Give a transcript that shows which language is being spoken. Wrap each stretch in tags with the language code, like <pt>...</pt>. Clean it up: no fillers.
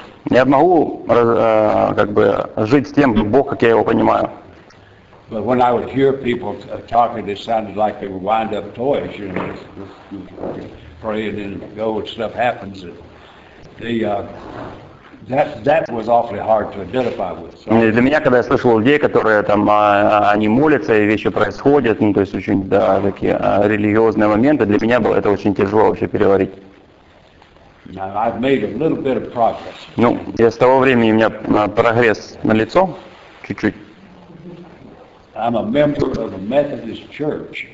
<ru>Я могу как бы жить с тем, Бог, как я его понимаю.</ru> <en>But when I would hear people talking, it sounded like they would wind up toys, you know, praying and go and stuff happens. That was awfully hard to identify with.</en> <ru>Для меня, когда я слышал людей, которые там они молятся и вещи происходят, ну то есть очень да, такие религиозные моменты, для меня было это очень тяжело вообще переварить.</ru> <en>Now, I've made a little bit of progress.</en> <ru>Ну, я с того времени у меня прогресс налицо, чуть-чуть.</ru> <en>I'm a member of a Methodist church.</en>